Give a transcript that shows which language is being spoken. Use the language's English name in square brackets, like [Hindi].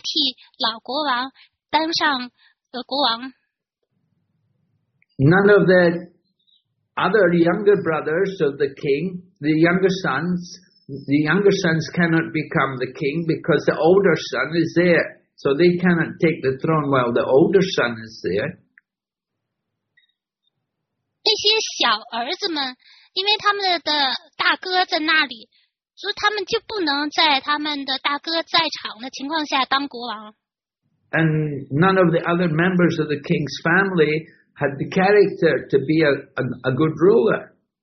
[Chinese] 主加格纳告诉他们，你们要去找一个人，他的身体上有这个国王的印记，有一些特殊的那个身体的特征，能够允许他能够代替老国王，当上国王。 [English] None of the other younger brothers of the king, the younger sons cannot become the king because the older son is there. So they cannot take the throne while the older son is there. [Chinese] 那些小儿子们，因为他们的大哥在那里，所以他们就不能在他们的大哥在场的情况下当国王。And [English] none of the other members of the king's family had the character to be a good ruler.